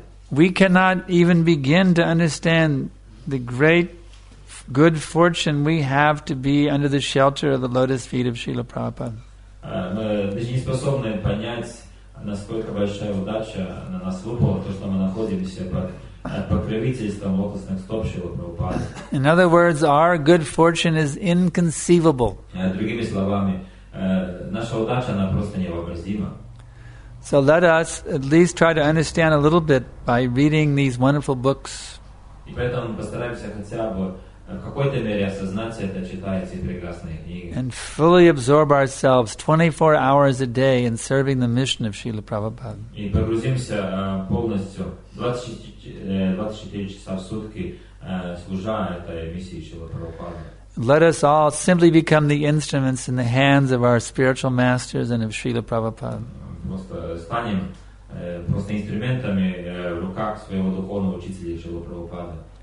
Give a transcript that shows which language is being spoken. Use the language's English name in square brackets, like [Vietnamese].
[English] We cannot even begin to understand the great good fortune we have to be under the shelter of the lotus feet of Srila Prabhupada. [Russian] Насколько большая удача на нас выпала, то, что мы находимся под покровительством лотосных стоп Шрилы Прабхупады. [English] In other words, our good fortune is inconceivable. [Russian] Другими словами, наша удача, она просто невообразима. [English] So let us at least try to understand a little bit by reading these wonderful books. [Russian] И поэтому постараемся хотя бы в какой-то мере осознать это, читая эти прекрасные книги. [English] And fully absorb ourselves 24 hours a day in serving the mission of Srila Prabhupada. [Russian] И погрузимся полностью 24 часа в сутки, служа этой миссии Шрилы Прабхупады. [English] Let us all simply become the instruments in the hands of our spiritual masters and of Srila Prabhupada. [Russian] Просто станем просто инструментами в руках своего духовного учителя Шрилы Прабхупады.